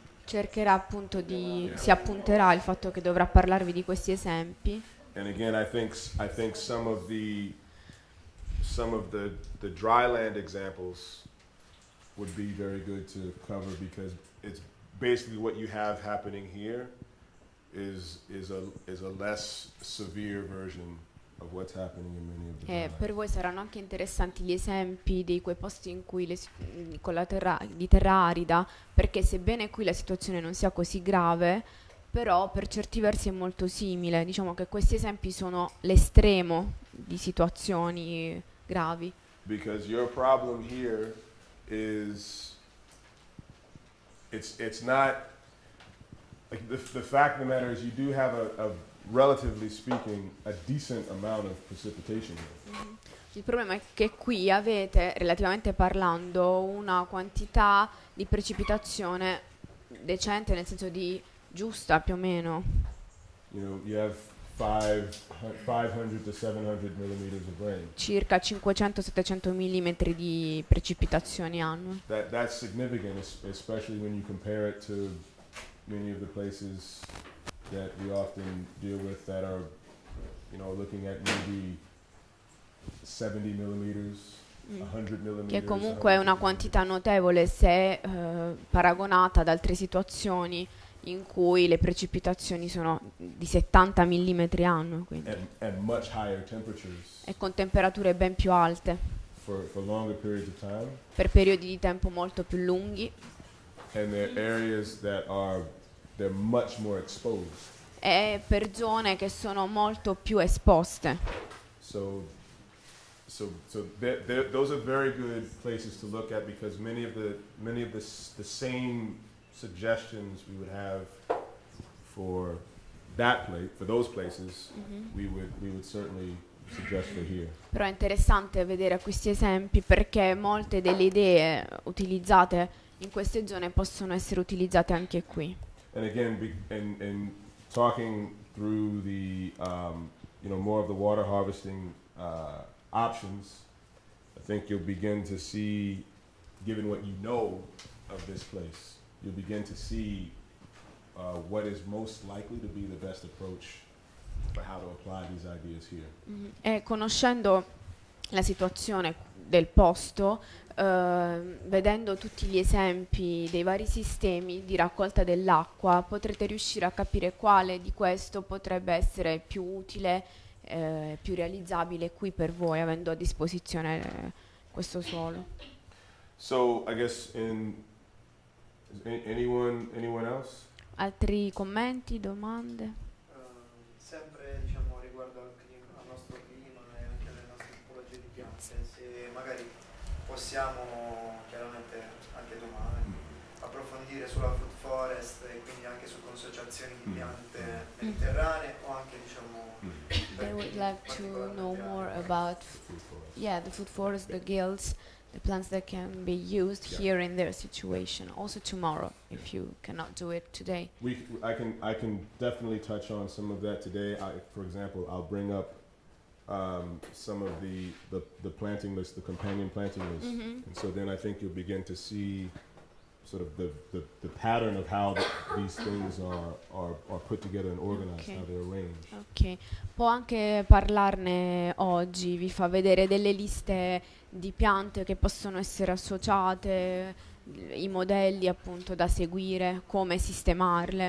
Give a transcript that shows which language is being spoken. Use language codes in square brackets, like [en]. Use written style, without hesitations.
[it] Cercherà appunto di si appunterà il fatto che dovrà parlarvi di questi esempi. [en] And again, I think some of the dry land examples would be very good to cover because it's basically what you have happening here is a less severe version of what's happening in many of the [it] per voi saranno anche interessanti gli esempi di quei posti in cui con la terra arida, perché sebbene qui la situazione non sia così grave, però per certi versi è molto simile. Diciamo che questi esempi sono l'estremo di situazioni gravi. [en] Because your problem here is it's not like the fact of the matter is you do have a relatively speaking, a decent amount of precipitation. [it] Il problema è che qui avete, relativamente parlando, una quantità di precipitazione decente, nel senso di giusta più o meno. [en] You know, you have 500 to 700 millimeters of rain. [it] Circa 500-700 millimetri di precipitazioni annue. [en] That's significant, especially when you compare it to many of the places that we often deal with that are, you know, looking at maybe 70 millimeters, 100 millimeters. [it] Che comunque è una quantità notevole se paragonata ad altre situazioni in cui le precipitazioni sono di 70 millimetri annuo, quindi. [en] And much higher temperatures. [it] E con temperature ben più alte. [en] For longer periods of time. [it] Per periodi di tempo molto più lunghi. [en] And there are areas that are they're much more exposed. [it] E per zone che sono molto più esposte. [en] So those are very good places to look at because many of the same suggestions we would have for that place for those places we would certainly suggest for here. [it] Però è interessante vedere questi esempi perché molte delle idee utilizzate in queste zone possono essere utilizzate anche qui. [en] And again, in talking through the, you know, more of the water harvesting options, I think you'll begin to see, given what you know of this place, you'll begin to see what is most likely to be the best approach for how to apply these ideas here. [it] E conoscendo la situazione del posto, vedendo tutti gli esempi dei vari sistemi di raccolta dell'acqua, potrete riuscire a capire quale di questo potrebbe essere più utile, più realizzabile qui per voi, avendo a disposizione questo suolo. [en] So, I guess, anyone else? [it] Altri commenti, domande? Sempre, diciamo, riguardo al nostro clima e anche alle nostre tipologie di piante, se magari possiamo chiaramente anche domani approfondire sulla food forest e quindi anche su consociazioni di piante mediterranee o anche diciamo [en] I would like to know more about the food forest, the gills, the plants that can be used here in their situation also tomorrow if you cannot do it today. I can definitely touch on some of that today. I, for example, I'll bring up some of the planting list, the companion planting list. Mm-hmm. And so then I think you'll begin to see sort of the pattern of how these things are put together and organized, okay. How they're arranged. Okay. [it] Può anche parlarne oggi, vi fa vedere delle liste di piante che possono essere associate, i modelli appunto da seguire, come sistemarle.